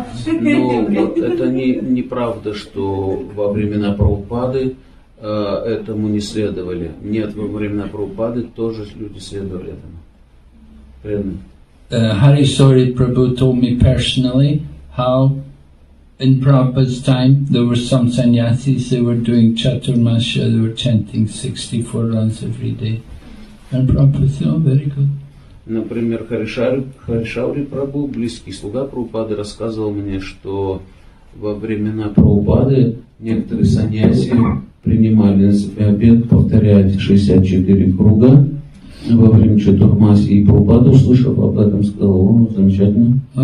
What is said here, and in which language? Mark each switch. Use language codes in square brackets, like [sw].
[ru] Но вот это не правда, что во времена Прабхупады этому не следовали. Нет, во времена Прабхупады тоже люди следовали этому. [en] Hari Sori Prabhu told me personally how in Prabhupada's time there were some sannyasis, they were doing chaturmasya, they were chanting 64 rounds every day. And Prabhupada said, oh, very good. [ru] Например, Харишаури Прабху, близкий слуга Прабхупады, рассказывал мне, что во времена Прабхупады некоторые саньяси принимали на себя обет повторять 64 круга во время Чатурмаси, и Прабхупада, услышав об этом, сказал, о, замечательно.